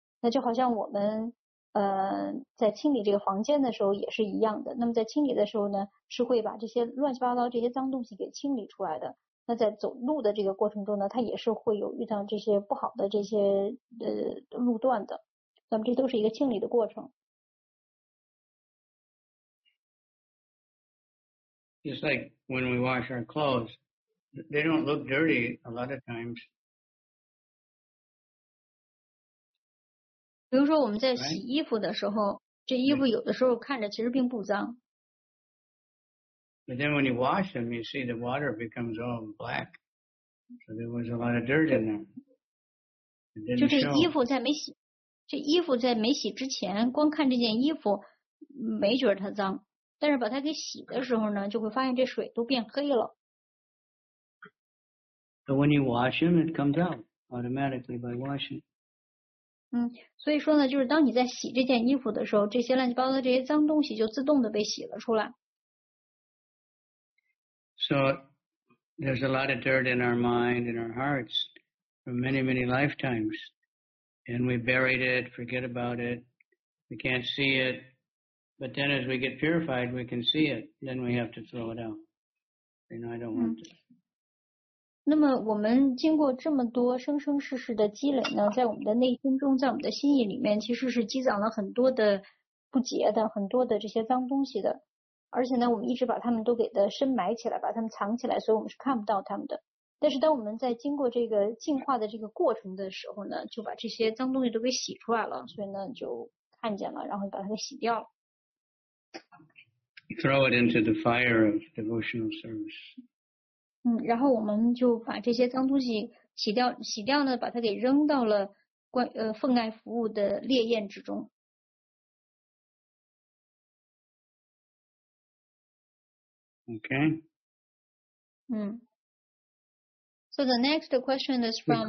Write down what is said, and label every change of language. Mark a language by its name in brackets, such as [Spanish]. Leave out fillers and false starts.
[Chinese] 那就好像我们在清理这个房间的时候也是一样的，那么在清理的时候呢是会把这些乱七八糟这些脏东西给清理出来的，那在走路的这个过程中呢，它也是会有遇到这些不好的这些路段的，那么这都是一个清理的过程。 [English] Just like when we wash our clothes, they don't look dirty a lot of times. [Chinese] 比如说我们在洗衣服的时候，这衣服有的时候看着其实并不脏。 [English] But then when you wash them, you see the water becomes all black. So there was a lot of dirt in there. [Chinese] 就这衣服在没洗，这衣服在没洗之前，光看这件衣服，没觉得它脏。但是把它给洗的时候呢，就会发现这水都变黑了。 [English] But when you wash them, it comes out automatically by washing. [Chinese] 所以说呢，就是当你在洗这件衣服的时候，这些乱七八糟的这些脏东西就自动的被洗了出来。 [English] So there's a lot of dirt in our mind and our hearts for many, many lifetimes. And we buried it, forget about it. We can't see it. But then as we get purified, we can see it. Then we have to throw it out. And I don't want to. [Chinese] 那么我们经过这么多生生世世的积累呢，在我们的内心中，在我们的心意里面，其实是积攒了很多的不洁的，很多的这些脏东西的。而且呢我们一直把他们都给的深埋起来，把他们藏起来，所以我们是看不到他们的。但是当我们在经过这个进化的这个过程的时候呢，就把这些脏东西都给洗出来了，所以呢就看见了，然后把它给洗掉了。 [English] Throw it into the fire of devotional service. [Chinese] 然后我们就把这些脏东西洗掉，洗掉呢把它给扔到了分爱服务的烈焰之中。 [English] Okay. So the next question is from.